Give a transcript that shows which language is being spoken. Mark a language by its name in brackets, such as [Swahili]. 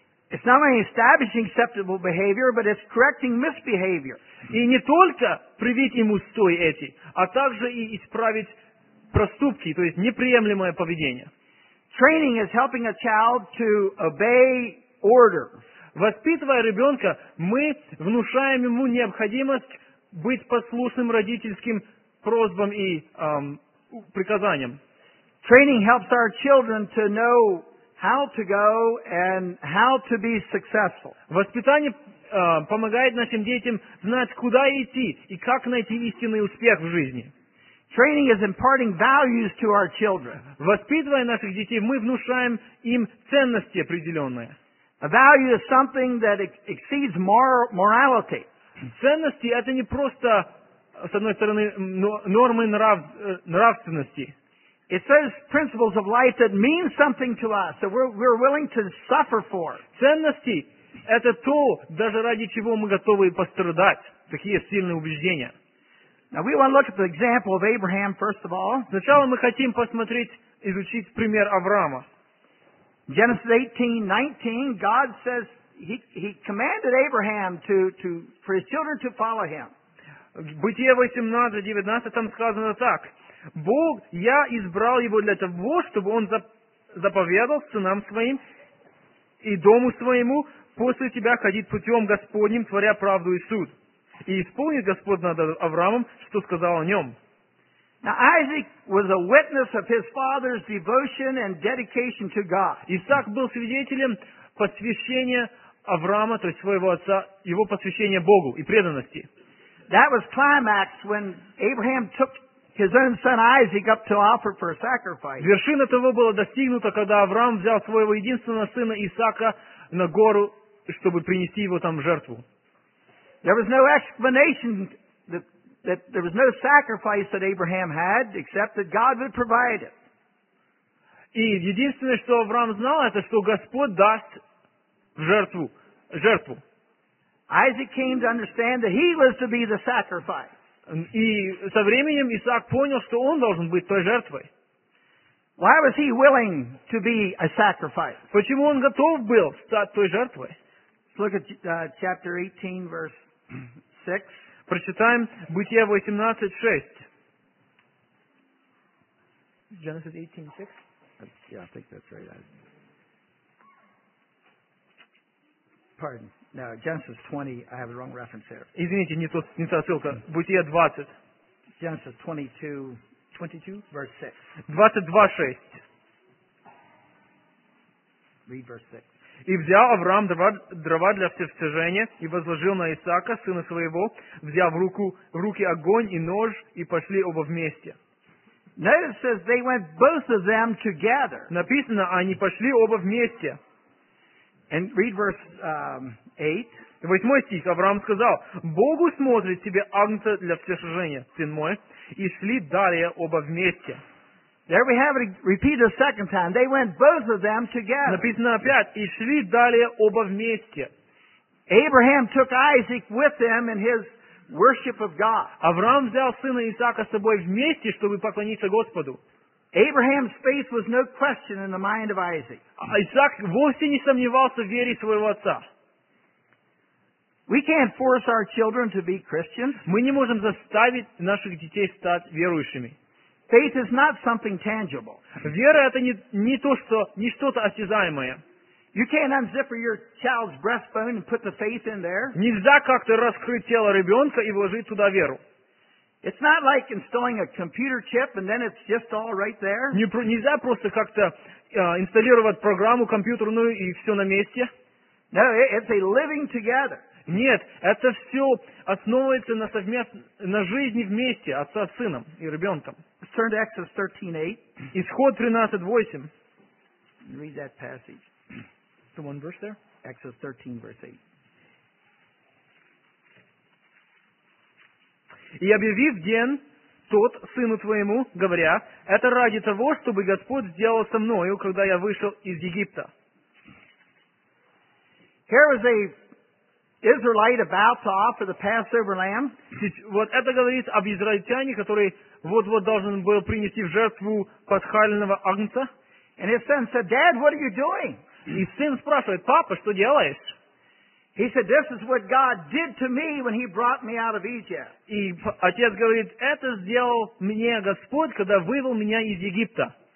[English] It's not only establishing acceptable behavior, but it's correcting misbehavior. [Russian] И не только привить им устои эти, а также и исправить проступки, то есть неприемлемое поведение. [English] Training is helping a child to obey order. [Russian] Воспитывая ребенка, мы внушаем ему необходимость быть послушным родительским просьбам и приказаниям. [English] Training helps our children to know how to go and how to be successful. [Russian] Воспитание помогает нашим детям знать, куда идти и как найти истинный успех в жизни. [English] Training is imparting values to our children. [Russian] Воспитывая наших детей, мы внушаем им ценности определенные. [English] A value is something that exceeds morality. [Russian] Ценности – это не просто, с одной стороны, нормы нравственности. [English] It says principles of life that mean something to us, that we're willing to suffer for. [Russian] Ценности – это то, даже ради чего мы готовы пострадать. Такие сильные убеждения. [English] Now we want to look at the example of Abraham first of all. [Russian] Сначала мы хотим посмотреть, изучить пример Авраама. [English] Genesis 18:19, God says he commanded Abraham to for his children to follow him. [Russian] Бытие 18:19 там сказано так: Бог, я избрал его для того, чтобы он заповедал сынам своим и дому своему после тебя ходить путем Господним, творя правду и суд. И исполнит Господь над Авраамом, что сказал о нем. [English] Now, Isaac was a witness of his father's devotion and dedication to God. [Russian] Исаак был свидетелем посвящения Авраама, то есть своего отца, его посвящения Богу и преданности. [English] That was climaxed when Abraham took his own son Isaac up to offer for a sacrifice. [Russian] Вершина того была достигнута, когда Авраам взял своего единственного сына Исаака на гору, чтобы принести его там в жертву. [English] There was no explanation that there was no sacrifice that Abraham had except that God would provide it. [Russian] И единственное, что Авраам знал, это что Господь даст жертву. [English] Isaac came to understand that he was to be the sacrifice. [Russian] И со временем Исаак понял, что он должен быть той жертвой. [English] Why was he willing to be a sacrifice? [Russian] Почему он готов был стать той жертвой? [English] Let's look at chapter 18, verse 6. [Russian] Прочитаем Бытие 18:6. [English] Genesis 18:6. Yeah, I think that's right. Pardon. No, Genesis 20. I have the wrong reference here. [Russian] Извините, не та ссылка. Бытие 20. [English] Genesis 22, verse 6. [Russian] 22:6. [English] Read verse 6. [Russian] И взял Авраам дрова для всесожжения и возложил на Исаака, сына своего, взяв в руки огонь и нож, и пошли оба вместе. [English] Notice that they went both of them together. [Russian] Написано, они пошли оба вместе. [English] And read verse 8. [Russian] 8 стих. Авраам сказал, Богу смотрит тебе агнца для всесожжения, сын мой, и шли далее оба вместе. [English] There we have it repeated a second time. They went both of them together. [Russian] Написано опять, и шли далее оба вместе. [English] Abraham took Isaac with him in his worship of God. [Russian] Авраам взял сына Исаака с собой вместе, чтобы поклониться Господу. [English] Abraham's faith was no question in the mind of Isaac. [Russian] Исаак вовсе не сомневался в вере своего отца. [English] We can't force our children to be Christians. [Russian] Мы не можем заставить наших детей стать верующими. [English] Faith is not something tangible. [Russian] Вера это не что-то осязаемое. [English] You can't unzipper your child's breastbone and put the faith in there. [Russian] Нельзя как-то раскрыть тело ребенка и вложить туда веру. [English] It's not like installing a computer chip and then it's just all right there. [Russian] Нельзя просто как-то инсталлировать программу компьютерную и все на месте. [English] No, it's a living together. [Russian] Нет, это все основывается на жизни вместе отца с сыном и ребенком. [English] Let's turn to Exodus 13:8. [Russian] Исход 13:8. [English] Read that passage. The one verse there? Exodus 13, verse 8. [Russian] И объявив день тот сыну твоему, говоря, это ради того, чтобы Господь сделал со мною, когда я вышел из Египта. [English] Here was a Israelite about to offer the Passover lamb. [Russian] Вот это говорит об израильтяне, который вот-вот должен был принести в жертву пасхального агнца. [English] And his son said, Dad, what are you doing? [Russian] И сын спрашивает, папа, что делаешь? [English] He said, this is what God did to me when he brought me out of Egypt. [Russian] И отец говорит, это сделал мне Господь, когда вывел меня из Египта.